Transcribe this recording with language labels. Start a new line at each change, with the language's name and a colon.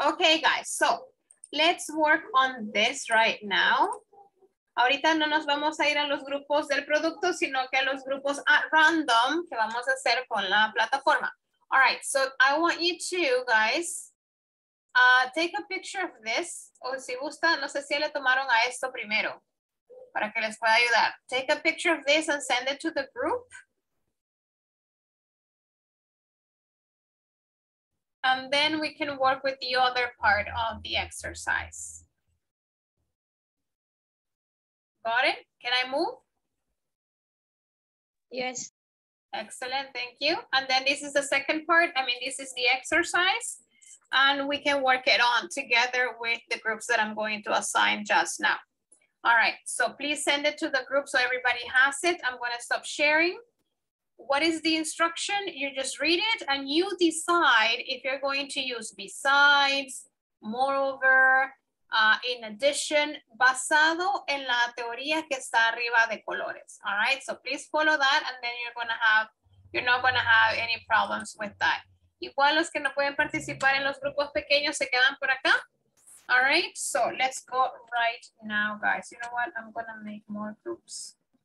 English: Okay, guys, so let's work on this right now.
Spanish: Ahorita no nos vamos a ir a los grupos del producto, sino que a los grupos
English: at random
Spanish: que vamos a hacer con la plataforma.
English: All right, so I want you to, guys, take a picture of this.
Spanish: O si gusta, no sé si le tomaron a esto primero para que les pueda ayudar.
English: Take a picture of this and send it to the group. And then we can work with the other part of the exercise. Got it? Can I move? Yes. Excellent, thank you. And then this is the second part. I mean, this is the exercise. And we can work it on together with the groups that I'm going to assign just now. All right, so please send it to the group so everybody has it. I'm going to stop sharing. What is the instruction? You just read it and you decide if you're going to use besides, moreover, in addition,
Spanish: basado en la teoría que está arriba de colores.
English: All right, so please follow that and then you're not going to have any problems with that.
Spanish: Igual los que no pueden participar en los grupos pequeños se quedan por acá.
English: All right, so let's go right now, guys. You know what? I'm going to make more groups.